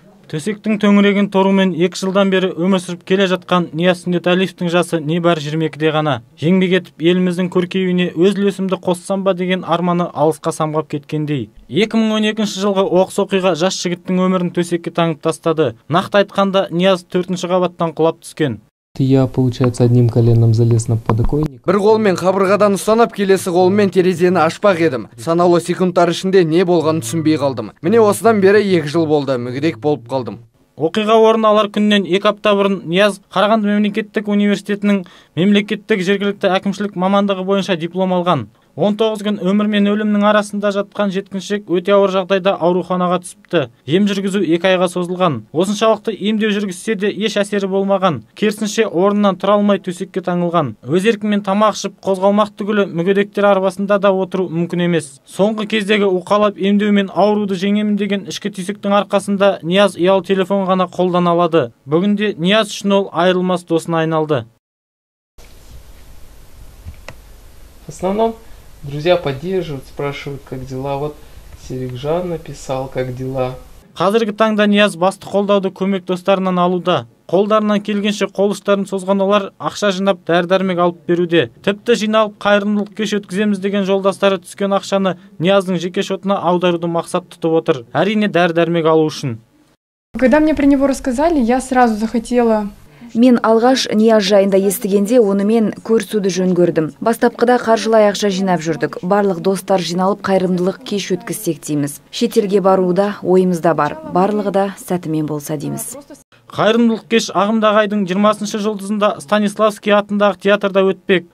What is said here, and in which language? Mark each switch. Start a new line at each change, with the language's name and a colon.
Kazakh: Төсектің төңірегін торумен 2 жылдан бері өмір сүріп келе жатқан Нияз Сүндеталиевтің жасы небәрі 22-де ғана. Еңбек етіп еліміздің көркеюіне өз үлесімді қоссам ба деген арманы алысқа самғап кеткендей. 2012 жылғы оқыс оқиға жас жігіттің өмірін төсекке таңып тастады. Нақты айтқанда Нияз 4-ші қабаттан құлап түскен.
Russian: Я получается одним коленом залез на подоконник.
Kazakh: Бір қолмен қабырғадан ұстанып, келесі қолмен терезені ашпақ едім. Санаулы секундтар ішінде не болғанын түсінбей қалдым. Міне осыдан бері 2 жыл болды, мүгедек болып қалдым. Оқиға орын алар күннен 2 апта бұрын Нияз Қарағанды мемлекеттік университетінің мемлекеттік жергілікті әкімшілік мамандығы бойынша диплом алған. 19 күн өмір мен өлімнің арасында жатқан жеткіншек өте ауыр жағдайда ауруханаға түсіпті. Ем жүргізу 2 айға созылған. Осыншалықты емдеу жүргізсе де еш әсері болмаған. Керісінше орнынан тұра алмай төсекке таңылған. Өз еркімен тамақ ішіп қозғалмақ түгілі мүгедектер арбасында да отыру мүмкін емес. Соңғы кездегі уқалап емдеу мен ауруды жеңемін деген ішкі түйсіктің арқасында Нияз ұялы телефон ғана қолдана алады. Бүгінде Нияз үшін ол айырылмас досына айналды.
Russian: Основном друзья поддерживают, спрашивают, как дела. Вот Серик Жан написал, как дела.
Kazakh: Қазіргі таңда Нияз басты қолдауды көмек достарынан алуда. Қолдарынан келгенше қол ұштарын созған олар ақша жинап дәрі-дәрмек алып беруде. Тіпті жиналып қайырымдылық кеш өткіземіз деген жолдастары түскен ақшаны Нияздың жеке шотына аударуды мақсат тұтып отыр. Әрине дәрі-дәрмек алу үшін.
Russian: Когда мне про него рассказали, я сразу захотела.
Kazakh: Мен алғаш Нияз жайында естігенде онымен көрісуді жөн көрдім. Бастапқыда қаржылай ақша жинап жүрдік. Барлық достар жиналып қайырымдылық кеш өткізсек дейміз. Шетелге баруда ойымызда бар. Барлығы да сәтімен болса дейміз. Қайырымдылық кеш ағымдағы айдың 20-шы жұлдызында Станиславский атындағы театрда өтпек.